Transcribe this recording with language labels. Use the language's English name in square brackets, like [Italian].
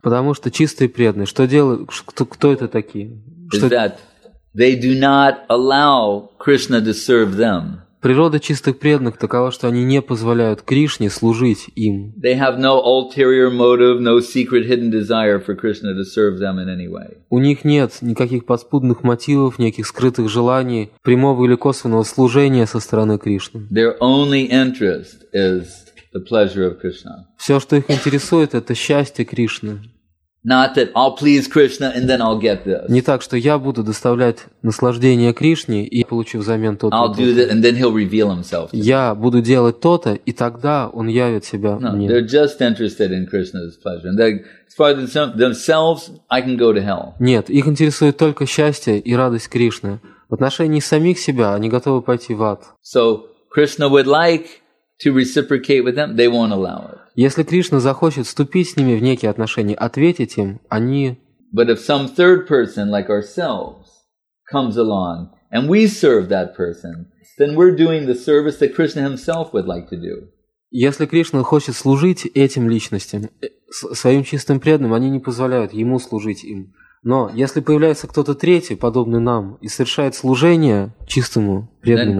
[Russian] Потому что чистые преданные, что делают, кто это такие? Что [English] that they do not allow Krishna to serve them. [Russian] Природа чистых преданных такова, что они не позволяют Кришне служить им. [English] They have no ulterior motive, no secret hidden desire for Krishna to serve them in any way. [Russian] У них нет никаких подспудных мотивов, никаких скрытых желаний, прямого или косвенного служения со стороны Кришны. [English] Their only interest is the pleasure of Krishna. [Russian] Все, что их интересует, это счастье Кришны. [English] Not that I'll please Krishna and then I'll get this. [Russian] Не так, что я буду доставлять наслаждение Кришне и получу взамен то-то. [English] I'll do that and then he'll reveal himself. [Russian] Я буду делать то-то, и тогда он явит себя мне. [English] No, they're just interested in Krishna's pleasure. And as far as themselves, I can go to hell. [Russian] Нет, их интересует только счастье и радость Кришны. В отношении самих себя они готовы пойти в ад. [English] So Krishna would like to reciprocate with them, they won't allow it. [Russian] Если Кришна захочет вступить с ними в некие отношения, ответить им, они... [English] But if some third person, like ourselves, comes along, and we serve that person, then we're doing the service that Krishna himself would like to do. [Russian] Если Кришна хочет служить этим личностям, своим чистым преданным, они не позволяют ему служить им. Но если появляется кто-то третий, подобный нам, и совершает служение чистому преданному